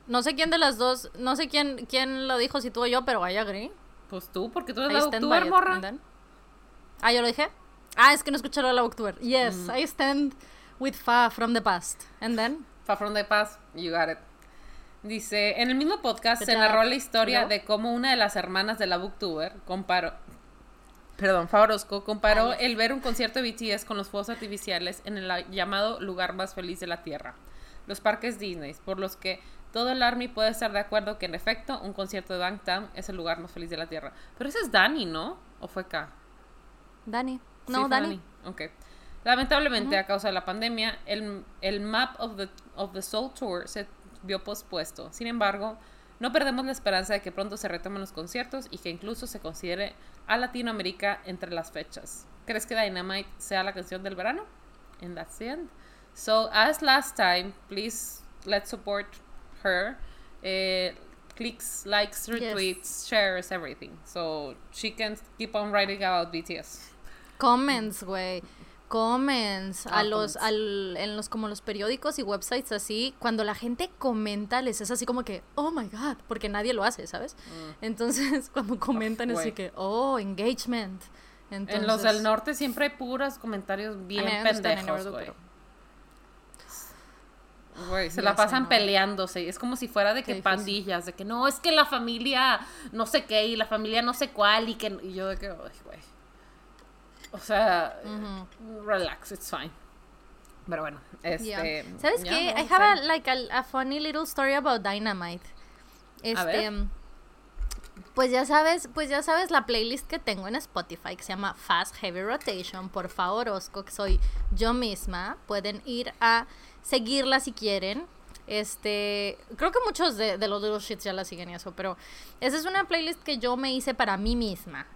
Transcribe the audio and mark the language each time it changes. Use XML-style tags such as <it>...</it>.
<es>No sé quién de las dos, no sé quién lo dijo, si tú o yo, pero</es> <en>I agree.</en> <es>Pues tú, porque tú eres la booktuber, morra. Ah, ¿yo lo dije? Ah, es que no escuché lo de la booktuber.</es> <en>Yes, I stand with Fa from the past. And then? Fa from the past, you got it.</en> <es>Dice, en el mismo podcast se narró la historia de cómo una de las hermanas de la booktuber Fa Orozco comparó el ver un concierto de BTS con los fuegos artificiales en el llamado lugar más feliz de la Tierra, los parques Disney, por los que todo el ARMY puede estar de acuerdo que, en efecto, un concierto de Bangtan es el lugar más feliz de la Tierra. Pero ese es Dani, ¿no? ¿O fue K? Dani. No, sí, Dani. Ok. Lamentablemente, a causa de la pandemia, el Map of the Soul Tour se vio pospuesto. Sin embargo, no perdemos la esperanza de que pronto se retomen los conciertos y que incluso se considere a Latinoamérica entre las fechas. ¿Crees que Dynamite sea la canción del verano?</es> <en>And that's the end. So, as last time, please let's support her. Clicks, likes, retweets, shares, everything. So, she can keep on writing about BTS. Comments, güey. Comments.</en> <es>Como los periódicos y websites así, cuando la gente comenta, les es así como que,</es> <en>oh my God,</en> <es>porque nadie lo hace, ¿sabes? Entonces, cuando comentan, es así que, oh, engagement. Entonces, en los del norte siempre hay puros comentarios bien pendejos, güey. Se la pasan peleándose. Es como si fuera de que pandillas, de que no, es que la familia no sé qué y la familia no sé cuál y yo de que, güey. O sea,</es> <en>relax, it's fine.</en> <es>Pero bueno, ¿sabes qué?</es> <en>No, I have a funny little story about Dynamite.</en> <es>Pues ya sabes la playlist que tengo en Spotify, que se llama Fast Heavy Rotation, por favor, Orozco, que soy yo misma. Pueden ir a seguirla si quieren. Creo que muchos de los Little Shits ya la siguen y eso, pero esa es una playlist que yo me hice para mí misma.</es>